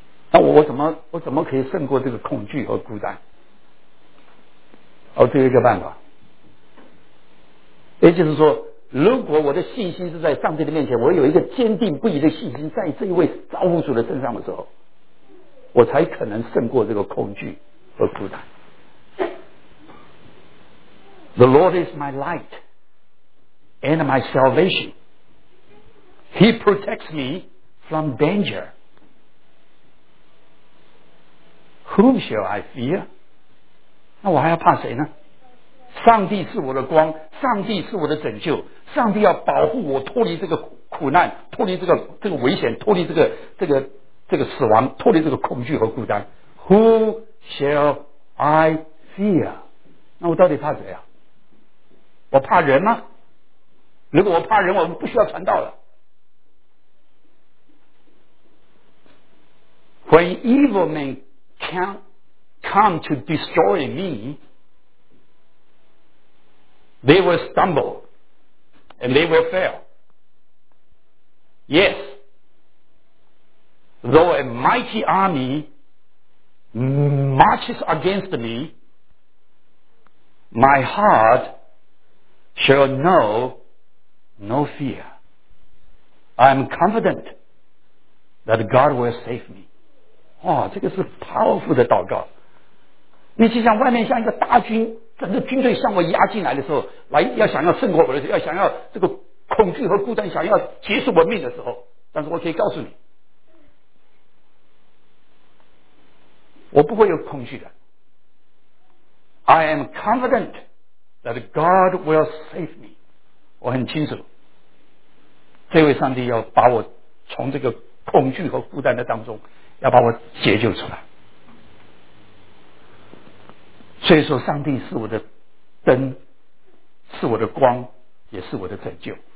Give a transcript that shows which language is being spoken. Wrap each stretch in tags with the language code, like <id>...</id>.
<zh>那我怎么可以胜过这个恐惧和孤单？哦，这有一个办法，也就是说，如果我的信心是在上帝的面前，我有一个坚定不移的信心在这一位造物主的身上的时候，我才可能胜过这个恐惧和孤单。</zh> <en>The Lord is my light and my salvation. He protects me from danger. Whom shall I fear?</en> <zh>那我还要怕谁呢？上帝是我的光，上帝是我的拯救，上帝要保护我脱离这个苦难，脱离这个危险，脱离这个死亡，脱离这个恐惧和孤单。</zh> <en>Who shall I fear?</en> <zh>那我到底怕谁啊？我怕人吗？如果我怕人，我们不需要传道了。</zh> <en>When evil men come to destroy me, they will stumble and they will fail. Yes, though a mighty army marches against me, my heart shall know no fear. I am confident that God will save me.</en> <zh>哇，这个是 powerful 的祷告。你就像外面像一个大军，整个军队向我压进来的时候，来要想要胜过我的时候，要想要这个恐惧和孤单，想要结束我命的时候，但是我可以告诉你，我不会有恐惧的。</zh> <en>I am confident that God will save me.</en> <zh>我很清楚，这位上帝要把我从这个恐惧和孤单的当中，要把我解救出来。所以说，上帝是我的灯，是我的光，也是我的拯救。</zh>